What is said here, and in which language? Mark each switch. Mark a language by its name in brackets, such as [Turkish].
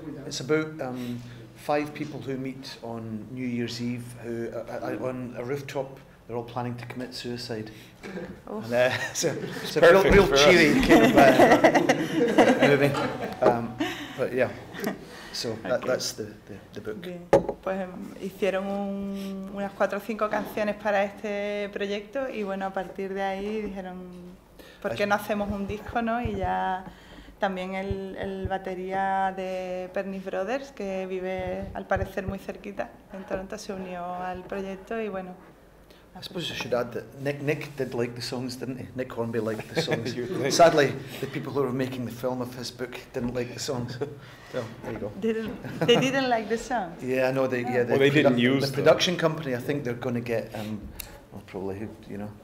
[English] It's about 5 people who meet on New Year's Eve who on a rooftop. They're all planning to commit suicide. And, it's a real, real cheery kind of movie. But yeah. So that's the book. [Spanish] Bien. Pues hicieron unas 4 o 5 canciones para este proyecto y bueno a partir de ahí dijeron. ¿Por qué no hacemos un disco, no? Y ya también el batería de Pernice Brothers, que vive al parecer muy cerquita en Toronto, se unió al proyecto y bueno. [English] I suppose I should add that Nick did like the songs, didn't he? Nick Hornby liked the songs. Sadly, the people who were making the film of his book didn't like the songs. So, there you go. They didn't like the songs? Yeah, I know. They didn't use them. The production company, I think they're going to get, well, probably, you know.